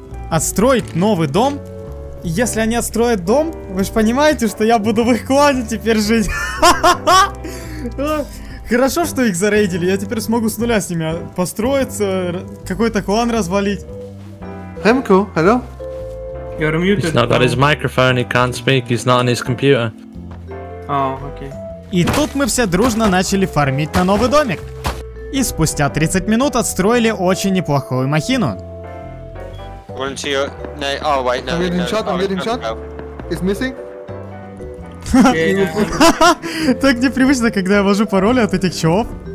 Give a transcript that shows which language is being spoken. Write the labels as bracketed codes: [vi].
[ru] Отстроить новый дом? Если они отстроят дом, вы же понимаете, что я буду в их клане теперь жить. Хорошо, что их зарейдили. Я теперь смогу с нуля с ними построиться, какой-то клан развалить. [en] Хэмко, hello? You're muted. He's not got his microphone, he can't speak, he's not on his computer. Oh, okay. [ru] И тут мы все дружно начали фармить на новый домик. И спустя 30 минут отстроили очень неплохую махину. Так непривычно, когда я ввожу пароль от этих чувов.